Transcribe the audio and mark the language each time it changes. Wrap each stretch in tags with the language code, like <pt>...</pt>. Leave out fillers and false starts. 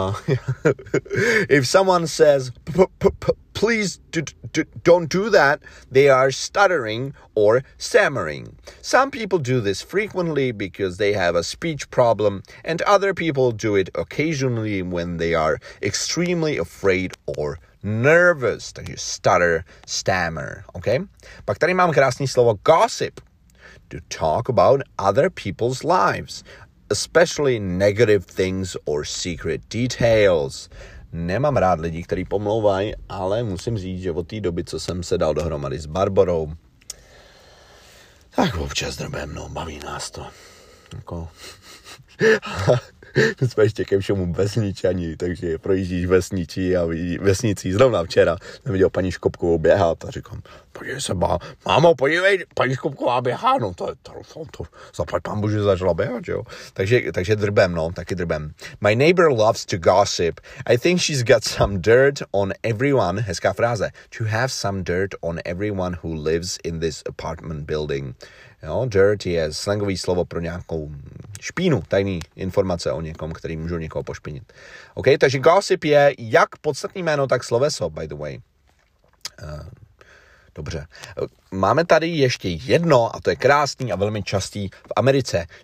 <en>if someone says please don't do that, they are stuttering or stammering. Some people do this frequently because they have a speech problem, and other people do it occasionally when they are extremely afraid or nervous.</en> <cs>Takže stutter, stammer, okay? Pak tady mám krásný slovo gossip.</cs> <en>To talk about other people's lives, especially negative things or secret details.</en> <cs>Nemám rád lidi, kteří pomlouvají, ale musím říct, že od té doby, co jsem se dal dohromady s Barborou, tak občas drbem, no, baví nás to. Jako... My jsme ještě ke všemu vesničani, takže projíždíš vesničí a vesnicí. Zrovna včera jsem viděl paní Škopkovou běhat a říkám, podívej se, mámo, podívej, paní Škopková běhá, no to zaplať pán Bůh, že začala běhat, jo. Takže drbem, no, taky drbem.</cs> <en>My neighbor loves to gossip. I think she's got some dirt on everyone.</en> <cs>Hezká fráze.</cs> <en>To have some dirt on everyone who lives in this apartment building.</en> <cs>Jo, dirt je slangový slovo pro nějakou špínu, tajný informace o někom, který můžu někoho pošpinit. OK, takže gossip je jak podstatný jméno, tak sloveso,</cs> <en>by the way.</en> <cs>Dobře. Máme tady ještě jedno, a to je krásný a velmi častý v Americe.</cs>